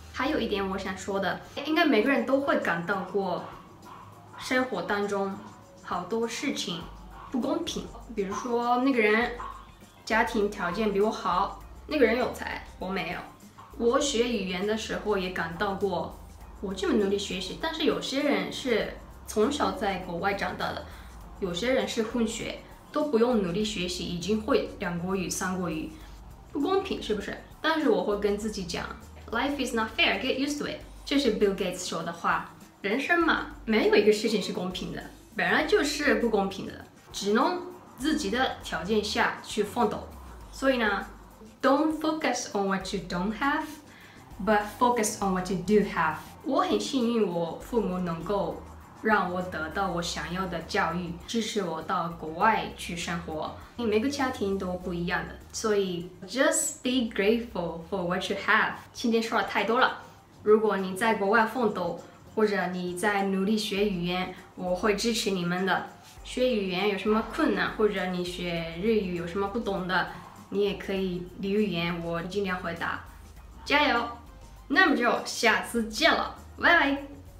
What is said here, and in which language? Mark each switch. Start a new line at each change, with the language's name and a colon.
Chinese: 还有一点我想说的，应该每个人都会感到过生活当中好多事情不公平，比如说那个人家庭条件比我好，那个人有才我没有。我学语言的时候也感到过，我这么努力学习，但是有些人是从小在国外长大的，有些人是混血，都不用努力学习已经会2国语3国语，不公平是不是？但是我会跟自己讲，
English: Life is not fair, get used to it.
Chinese: 这是 Bill Gates 说的话。人生嘛，没有一个事情是公平的，本来就是不公平的，只能自己的条件下去奋斗。所以呢，
English: Don't focus on what you don't have, but focus on what you do have.
Chinese: 我很幸运，我父母能够让我得到我想要的教育，支持我到国外去生活。每个家庭都不一样的，所以
English: just be grateful for what you have.
Chinese: 今天说了太多了，如果你在国外奋斗，或者你在努力学语言，我会支持你们的。学语言有什么困难，或者你学日语有什么不懂的，你也可以留言，我尽量回答。加油！那么就下次见了，拜拜。